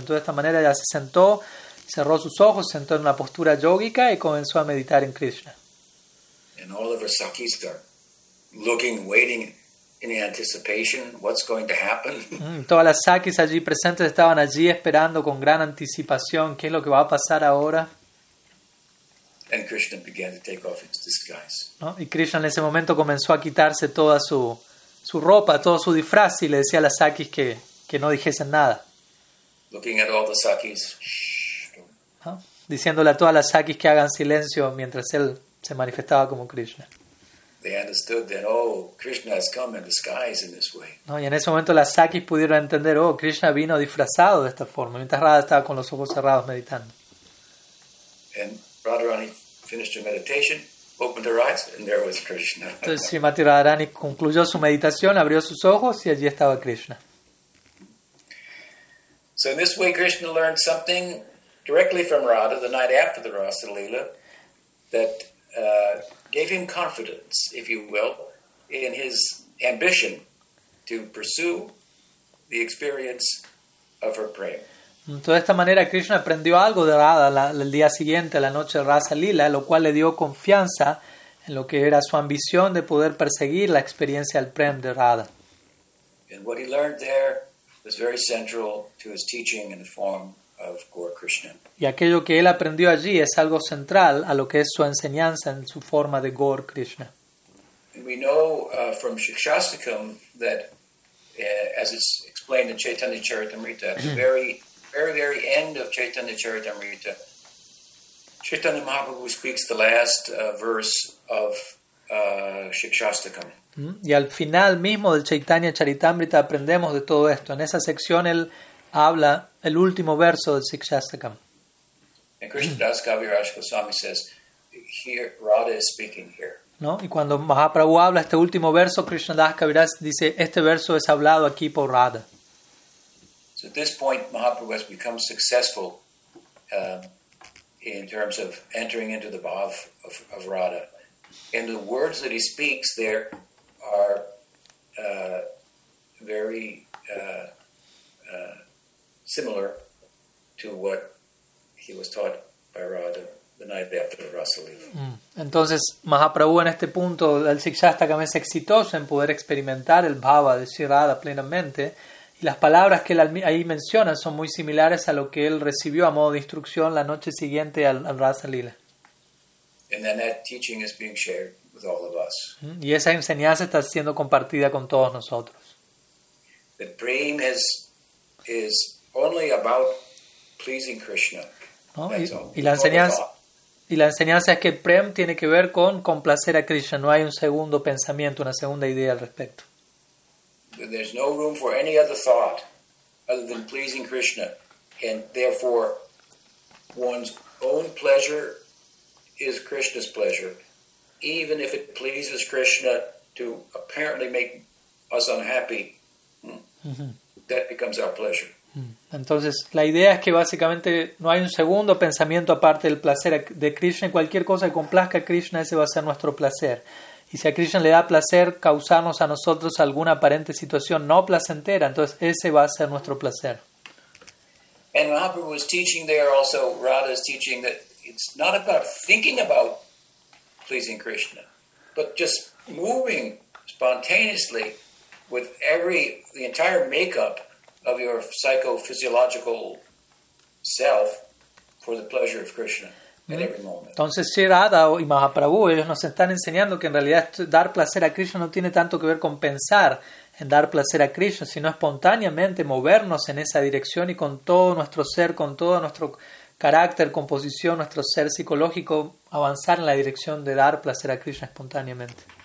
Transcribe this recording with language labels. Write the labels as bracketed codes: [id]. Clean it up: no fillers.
[es] Entonces, de esta manera, ella se sentó, cerró sus ojos, sentó en una postura yógica y comenzó a meditar en Krishna. [en] And all of her sakis are looking, waiting in anticipation, what's going to happen? [es] Todas las sakis allí presentes estaban allí esperando con gran anticipación qué es lo que va a pasar ahora. [en] And Krishna began to take off his disguise. [es] ¿No? Y Krishna en ese momento comenzó a quitarse toda su ropa, todo su disfraz, y le decía a las sakis que no dijesen nada. [en] Looking at all the sakis, [es] ¿no? Diciéndole a todas las sakis que hagan silencio mientras él se manifestaba como Krishna. [en] They understood that, oh, Krishna has come in disguise in this way. [es] ¿No? Y en ese momento las sakis pudieron entender, oh, Krishna vino disfrazado de esta forma, mientras Radha estaba con los ojos cerrados meditando. [en] And Radharani finished her meditation, opened her eyes, and there was Krishna. [es] Entonces Srimati Radharani concluyó su meditación, abrió sus ojos, y allí estaba Krishna. [en] So in this way Krishna learned something directly from Radha the night after the Rasa-lila that gave him confidence, if you will, in his ambition to pursue the experience of her prema. [es] Entonces, de esta manera, Krishna aprendió algo de Radha el día siguiente, la noche de Rasa-lila, lo cual le dio confianza en lo que era su ambición de poder perseguir la experiencia del prem de Radha. [en] And what he learned there was very central to his teaching in the form of Gaur Krishna. [es] Y aquello que él aprendió allí es algo central a lo que es su enseñanza en su forma de Gaur Krishna. [en] And we know from Shikshastakam that, as it's explained in Chaitanya Charitamrita, very end of Chaitanya Charitamrita, Chaitanya Mahaprabhu speaks the last verse of Shikshastakam. [es] Y al final mismo del Chaitanya Charitamrita aprendemos de todo esto. En esa sección él habla el último verso del Shikshastakam. [en] And Krishna Das Kaviraj Goswami says, here Radha is speaking here. [es] ¿No? Y cuando Mahaprabhu habla este último verso, Krishna Das Kaviraj dice, este verso es hablado aquí por Radha. [en] At this point, Mahaprabhu has become successful in terms of entering into the bhav of Radha. And the words that he speaks there are very similar to what he was taught by Radha the night after the Rasa-lila. [es] Entonces, Mahaprabhu en este punto del Shikshastakam es exitoso en poder experimentar el bhava de Shirada plenamente. Y las palabras que él ahí menciona son muy similares a lo que él recibió a modo de instrucción la noche siguiente al Rasa-lila. [en] And then that teaching is being shared with all of us. [es] Y esa enseñanza está siendo compartida con todos nosotros. [en] The dream is only about pleasing Krishna. [es] ¿No? Y la enseñanza es que el prem tiene que ver con complacer a Krishna. No hay un segundo pensamiento, una segunda idea al respecto. [en] There's no room for any other thought other than pleasing Krishna, and therefore one's own pleasure is Krishna's pleasure, even if it pleases Krishna to apparently make us unhappy. That becomes our pleasure. [es] Entonces, la idea es que básicamente no hay un segundo pensamiento aparte del placer de Krishna. Cualquier cosa que complazca a Krishna, ese va a ser nuestro placer. Y si a Krishna le da placer causarnos a nosotros alguna aparente situación no placentera, entonces ese va a ser nuestro placer. [en] And Mahaprabhu was teaching there also, Radha is teaching that it's not about thinking about pleasing Krishna, but just moving spontaneously with the entire makeup of your psychophysiological self for the pleasure of Krishna at every moment. [es] Entonces, Sri Radha y Mahaprabhu, ellos nos están enseñando que en realidad dar placer a Krishna no tiene tanto que ver con pensar en dar placer a Krishna, sino espontáneamente movernos en esa dirección y con todo nuestro ser, con todo nuestro carácter, composición, nuestro ser psicológico, avanzar en la dirección de dar placer a Krishna espontáneamente.